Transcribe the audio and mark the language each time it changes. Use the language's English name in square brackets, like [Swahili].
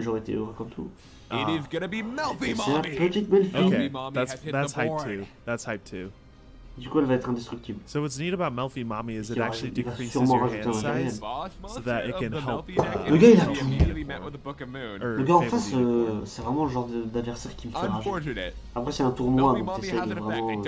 [French] J'aurais été heureux comme tout. [English] It is gonna be Melfi Mommy. [French] C'est la petite Melfi. [English] Okay, that's hype too. That's hype too. [French] Du coup, elle va être indestructible. [English] So what's neat about Melfi Mommy is it actually decreases your hand size so that it can help. [French] Le gars, il a tout. Le gars en face, c'est vraiment le genre d'adversaire qui me fait rager. Après, c'est un tournoi, donc t'essayes de vraiment